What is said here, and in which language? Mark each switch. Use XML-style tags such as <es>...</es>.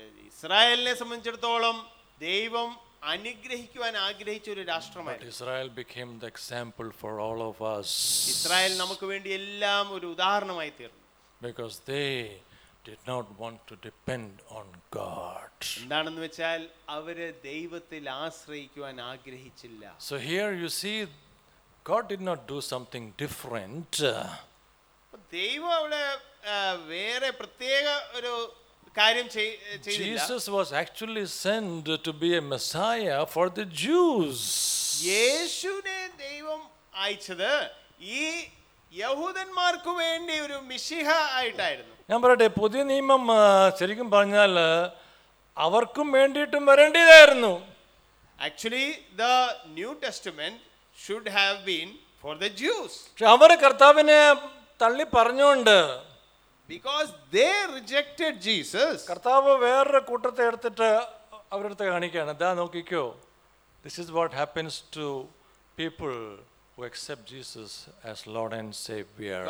<ml>ഇസ്രായേലിനെ സംബന്ധിച്ചിടത്തോളം ദൈവം അനുഗ്രഹിക്കുവാൻ ആഗ്രഹിച്ച ഒരു രാഷ്ട്രമായിരുന്നു.</ml> <en>But Israel became the example for all of us.</en> <ml>Israel നമുക്ക് വേണ്ടി എല്ലാം ഒരു ഉദാഹരണമായി തീർന്നു.</ml> <en>Because they did not want to depend on God.</en> <ml>എന്താണെന്ന് വെച്ചാൽ അവരെ ദൈവത്തിൽ ആശ്രയിക്കുവാൻ ആഗ്രഹിച്ചില്ല.</ml> <en>So here you see God did not do something different.</en> <ml>ദൈവം അവിടെ വേറെ പ്രത്യേക ഒരു കാര്യം ചെയ്തില്ല.</ml> <en>Jesus was actually sent to be a Messiah for the Jews.</en> <ml>യേശുവിനെ ദൈവം അയച്ചത് ഈ യഹൂദന്മാർക്ക് വേണ്ടി ഒരു മിശിഹ ആയിട്ടായിരുന്നു. ഞാൻ പറയട്ടെ, പുതിയ നിയമം ശരിക്കും പറഞ്ഞാൽ അവർക്കും വേണ്ടിയിട്ടും വരേണ്ടതായിരുന്നു.</ml> <en>Actually the New Testament should have been for the Jews.</en> <ml>അവരെ കർത്താവിനെ തള്ളി പറഞ്ഞുകൊണ്ട്,</ml> <en>because they rejected Jesus,</en> <ml>കർത്താവ് വേറൊരു കൂട്ടത്തെ എടുത്തിട്ട് അവരുടെ അടുത്ത് കാണിക്കുകയാണ്, ദാ നോക്കിക്കോ,</ml> <en>this is what happens to people who accept Jesus as Lord and Savior.</en>